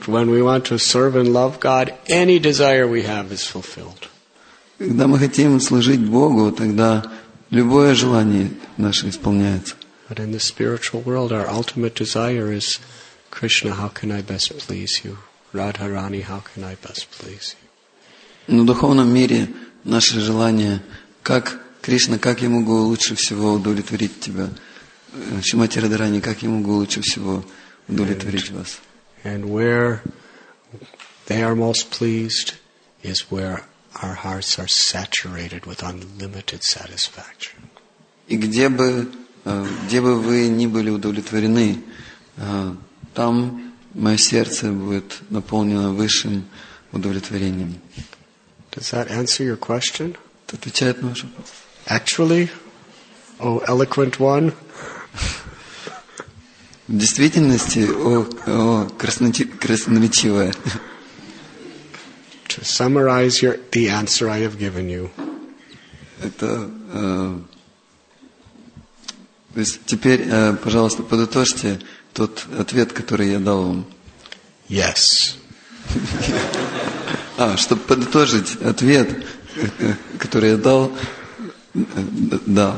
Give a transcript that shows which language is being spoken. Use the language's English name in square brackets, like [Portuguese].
[English] When we want to serve and love God, any desire we have is fulfilled. [Russian] Когда мы хотим служить Богу, тогда любое желание наше исполняется. [English] But in the spiritual world, our ultimate desire is, Krishna, how can I best please you? Radharani, how can I best please you? [Russian] На духовном мире наше желание, как Кришна, как я могу лучше всего удовлетворить тебя? Шимати Радхарани, как я могу лучше всего удовлетворить вас? [English] And where they are most pleased is where our hearts are saturated with unlimited satisfaction. [Russian] И где бы вы ни были удовлетворены, там мое сердце будет наполнено высшим удовлетворением. [English] Does that answer your question? [Russian] Это отвечает на ваш вопрос? [English] Actually, O eloquent one. [Russian] В действительности, о красноречивая. [English] To summarize the answer I have given you. [Russian] Это, то есть теперь, пожалуйста, подытожьте тот ответ, который я дал вам. [English] Yes. [Russian] А, чтобы подытожить ответ, который я дал, да.